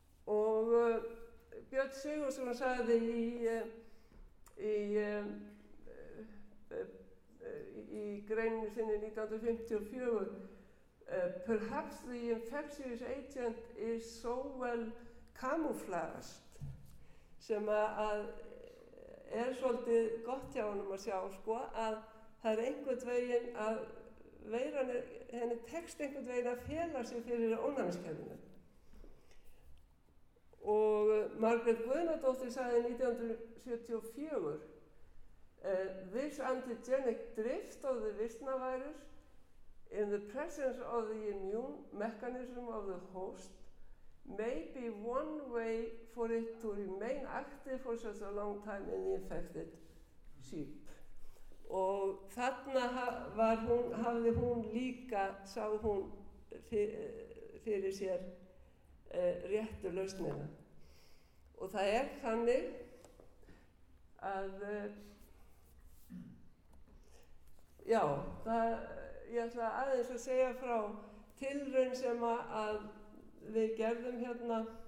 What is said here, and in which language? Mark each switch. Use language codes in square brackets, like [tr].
[is] Og Björn Sigurðsson sagði í greininu sinni 1954 [en] perhaps the infectious agent is so well camouflaged, [is] sem að er svolítið gott hjá honum að sjá sko að það er einhvern veginn að veiran er, henni tekst einhvern veginn að fela sig fyrir ónæmiskerfinu. Og [en] Margrét Guðnadóttir [is] sagði [en] 1974 this antigenic drift of the vistnavirus in the presence of the immune mechanism of the host may be one way for it to remain active for such a long time in the infected sheep. [is] Og þarna sá hún fyrir sér réttu lausnina. Og það er þannig að ég ætla aðeins að segja frá tilraun sem að við gerðum hérna.